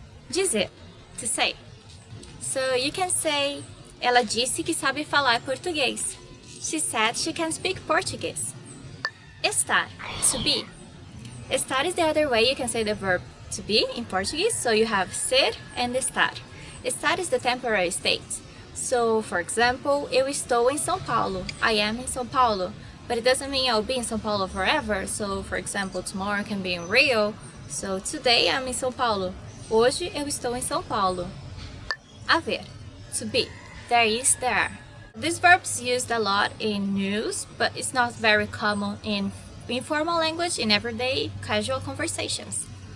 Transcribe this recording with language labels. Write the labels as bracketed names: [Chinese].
[Portuguese] Dizer, [English] to say. So you can say, [Portuguese] ela disse que sabe falar português. [English] She said she can speak Portuguese. Estar, to be. Estar is the other way you can say the verb to be in Portuguese, so you have ser and estar. Estar is the temporary state. [Portuguese] So, for example, eu estou em São Paulo. [English] I am in São Paulo. But it doesn't mean I'll be in São Paulo forever. So, for example, tomorrow can be in Rio. So, today I'm in São Paulo. [Portuguese] Hoje eu estou em São Paulo. [English] Haver, to be. There is, there are. This verb is used a lot in news, but it's not very common in informal language in everyday casual conversations.